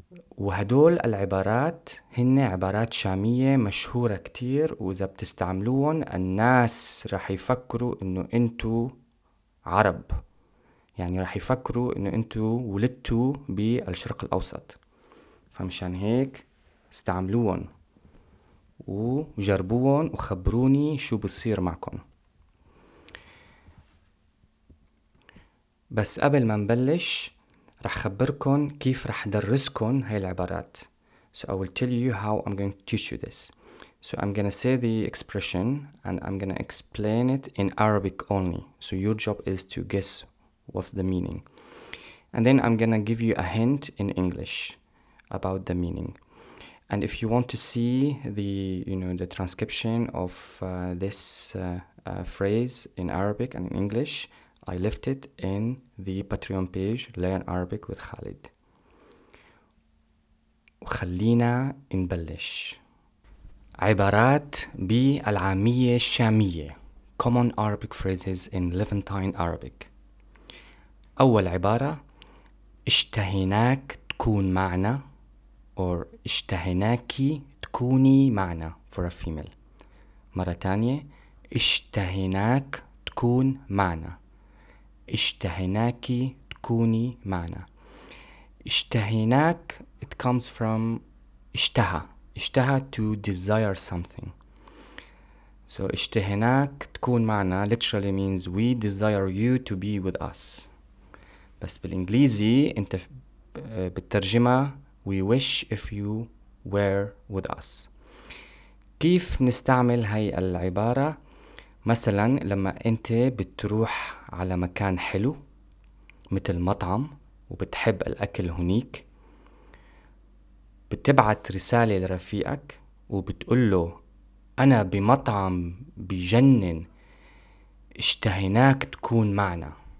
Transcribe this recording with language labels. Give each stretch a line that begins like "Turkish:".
Arabic: وهدول العبارات هن عبارات شامية مشهورة كتير، وإذا بتستعملون الناس رح يفكروا إنه أنتو عرب، يعني رح يفكروا انه انتو ولدتوا بالشرق الاوسط، فمشان هيك استعملوهم وجربوهم وخبروني شو بصير معكم. بس قبل ما نبلش رح خبركن كيف رح درسكن هاي العبارات.
English: So I will tell you how I'm going to teach you this. So I'm going to say the expression and I'm going to explain it in Arabic only. So your job is to guess what's the meaning. And then I'm going to give you a hint in English about the meaning. And if you want to see the, you know, the transcription of this phrase in Arabic and in English, I left it in the Patreon page, Learn Arabic with Khalid.
Arabic: خلينا نبلش. عبارات بالعامية الشامية.
English: Common Arabic phrases in Levantine Arabic.
Arabic: أول عبارة: اشتهيناك تكون معنا،
English: or
Arabic: اشتهيناكي تكوني معنا
English: for a female.
Arabic: مرة تانية: اشتهيناك تكون معنا، اشتهيناكي تكوني معنا.
English: اشتهيناك it comes from اشتهى. اشتهى to desire something. So
Arabic: اشتهيناك تكون معنا
English: literally means we desire you to be with us.
Arabic: بس بالانجليزي انت بالترجمة
English: we wish if you were with us.
Arabic: كيف نستعمل هاي العبارة؟ مثلا لما انت بتروح على مكان حلو مثل مطعم وبتحب الاكل هنيك، بتبعت رسالة لرفيقك وبتقول له أنا بمطعم بجنن اشتهيناك تكون معنا.